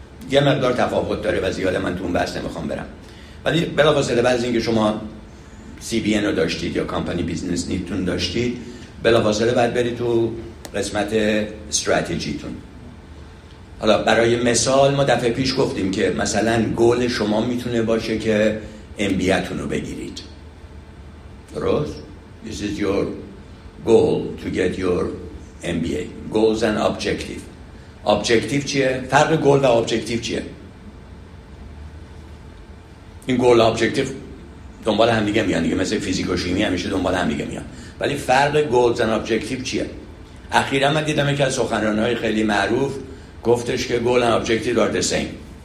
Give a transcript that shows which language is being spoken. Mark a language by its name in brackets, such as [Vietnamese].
[Persian] یه مقدار تفاوت داره و زیاده من تو اون بحث نمیخوام برم، ولی بلافاصله بعد از اینکه شما CBN رو داشتید یا [English] Company Business Needs [Persian] تون داشتید، بلافاصله بعد برید تو قسمت Strategy تون. حالا برای مثال ما دفعه پیش گفتیم که مثلا گول شما میتونه باشه که MBA تون رو بگیرید. [English] Right? This is your goal to get your MBA. Goals and objective. [Persian] Objective چیه؟ فرق goal و objective چیه؟ این goal و objective دنبال هم دیگه میان دیگه، مثل فیزیک و شیمی همیشه دنبال هم دیگه میان. ولی فرق goals and objective چیه؟ اخیرا من دیدم یکی از سخنرانهای خیلی معروف گفتش که [English] goal and objective are the same.